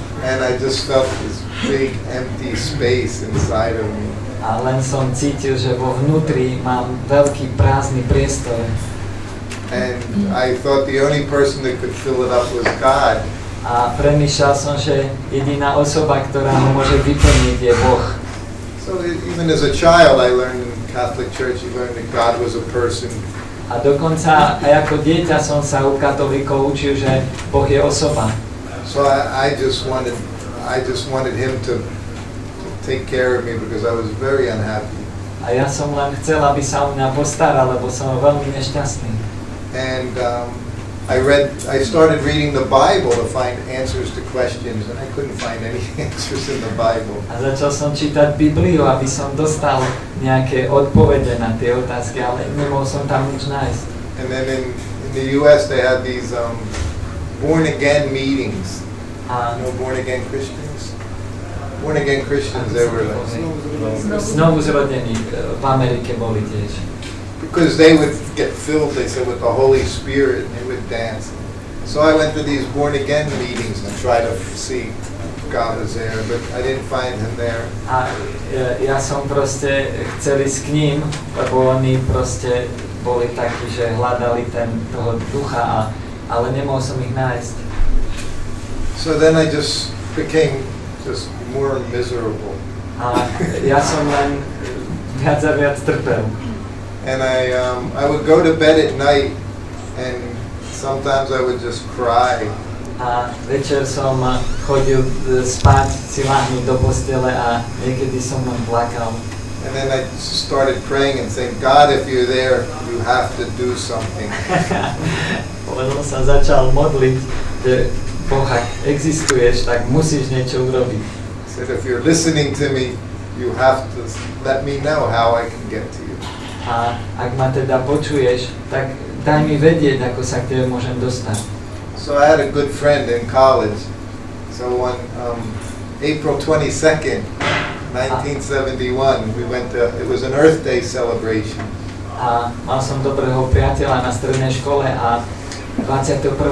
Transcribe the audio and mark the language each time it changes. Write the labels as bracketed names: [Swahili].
[English] And I just felt this big empty space inside of me. [Slovak] A len som cítil, že vo vnútri mám veľký prázdny priestor. [English] And I thought the only person that could fill it up was God. [Slovak] A premýšľal som, že jediná osoba, ktorá ho môže vyplniť, je Boh. [English] So even as a child I learned in Catholic Church, you learned that God was a person. [Slovak] A dokonca aj ako dieťa som sa u katolíkov učil, že Boh je osoba. [English] So I just wanted him to take care of me because I was very unhappy. [Slovak] A ja som len chcel, aby sa o mňa postaral, lebo som veľmi nešťastný. [English] And I started reading the Bible to find answers to questions, and I couldn't find any answers in the Bible. [Slovak] A začal som čítať Bibliu, aby som dostal nejaké odpovede na tie otázky, ale nemohol som tam nič nájsť. [English] And then in the US they had these born again meetings. Born again Christians they were like [Slovak] znovuzrodení v Amerike boli tiež. [English] Because they would get filled, they said, with the Holy Spirit, and they would dance. So I went to these born-again meetings and tried to see if God was there, but I didn't find him there. [Slovak] A ja som proste chcel ísť k ním, lebo oni proste boli takí, že hľadali ten toho ducha, ale nemohol som ich nájsť. [English] So then I just became just more miserable. [Slovak] A ja som len viac a viac trpel. [English] And I would go to bed at night and sometimes I would just cry. [Slovak] A večer som chodil spať, si lahnúť do postele a niekedy som len plakal. [English] And then I started praying and saying, God, if you're there, you have to do something. [Slovak] Potom sa začal modliť, že Boh, ak existuješ, tak musíš niečo urobiť. [English] I said, if you're listening to me, you have to let me know how I can get to you. [Slovak] A ak ma teda počuješ, tak daj mi vedieť, ako sa k tebe môžem dostať. [English] So I had a good friend in college. So on April 22nd, 1971, it was an Earth Day celebration. [Slovak] A mal som dobrého priateľa na strednej škole a 21.